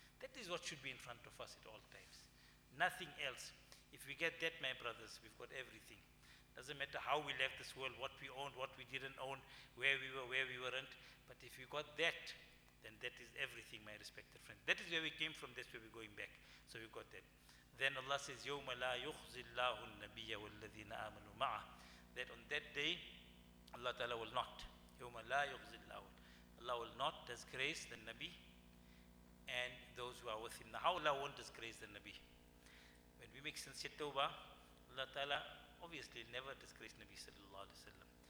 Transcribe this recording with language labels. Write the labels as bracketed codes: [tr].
[en] That is what should be in front of us at all times. Nothing else. If we get that, my brothers, we've got everything. Doesn't matter how we left this world, what we owned, what we didn't own, where we weren't. But if we got that, then that is everything, my respected friend. That is where we came from, that's where we're going back. So we've got that. [ar] Then Allah says, يَوْمَ لَا يُخْزِ اللَّهُ النَّبِيَّ وَالَّذِينَ آمَنُوا مَعَهُ. [en] That on that day, Allah Ta'ala will not. Allah will not disgrace the Nabi and those who are with him. Now, how Allah won't disgrace the Nabi? When we make sincere tawbah, Allah Ta'ala obviously never disgrace Nabi sallallahu alayhi wa sallam.